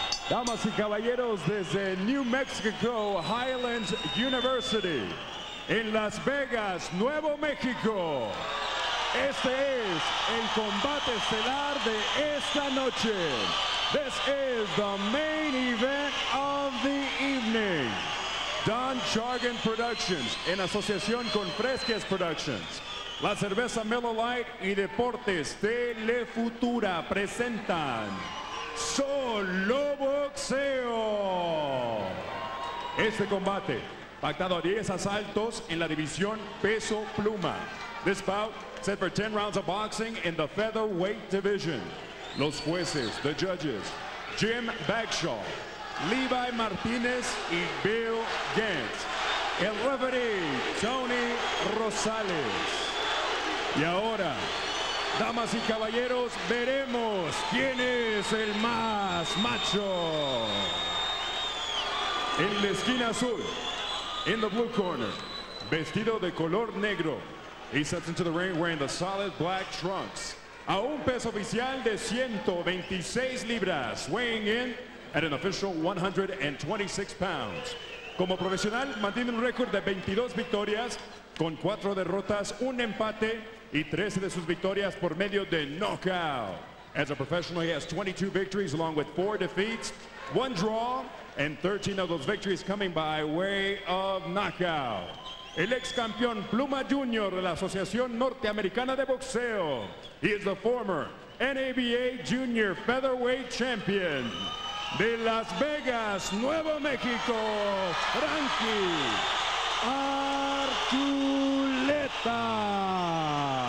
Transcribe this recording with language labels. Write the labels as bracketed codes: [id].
[es] Damas y caballeros, desde New Mexico Highlands University, en Las Vegas, Nuevo México. Este es el combate estelar de esta noche. [en] This is the main event of the evening. [es] Don Chargan Productions, en asociación con Fresques Productions, la cerveza Miller Lite y Deportes Telefutura presentan Solo Boxeo. Este combate, pactado a 10 asaltos en la división peso pluma. [en] This bout set for 10 rounds of boxing in the featherweight division. [es] Los jueces, [en] the judges, Jim Bagshaw, Levi Martinez, and Bill Gantz. [es] El referee, Tony Rosales. Y ahora, damas y caballeros, veremos quién es el más macho. En la esquina azul, [en] in the blue corner, [es] vestido de color negro, [en] he steps into the ring wearing the solid black trunks. [es] A un peso oficial de 126 libras, [en] weighing in at an official 126 pounds. [es] Como profesional, mantiene un récord de 22 victorias con 4 derrotas, un empate y 13 de sus victorias por medio de knockout. [en] As a professional, he has 22 victories along with 4 defeats, 1 draw, and 13 of those victories coming by way of knockout. [es] El ex campeón Pluma Junior de la Asociación Norteamericana de Boxeo. [en] He is the former NABA Junior Featherweight Champion. [es] De Las Vegas, Nuevo México, Frankie Archuleta.